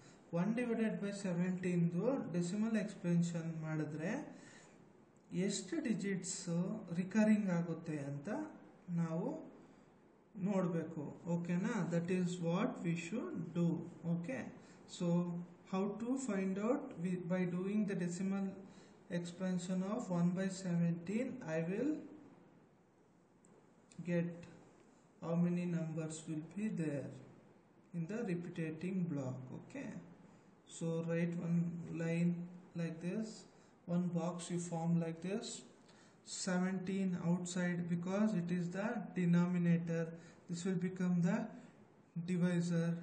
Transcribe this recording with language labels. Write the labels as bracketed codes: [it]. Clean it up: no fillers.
[kn] 1 divided by 17 दो decimal expansion ಮಾಡಿದ್ರೆ ಎಷ್ಟು digits recurring ಆಗುತ್ತೆ ಅಂತ ನಾವು ನೋಡಬೇಕು. [en] ಓಕೆನಾ? That is what we should do. Okay, so how to find out by doing the decimal expansion of 1/17. I will get how many numbers will be there in the repeating block. Okay, so write one line like this, one box you form like this. 17 outside because it is the denominator. This will become the divisor.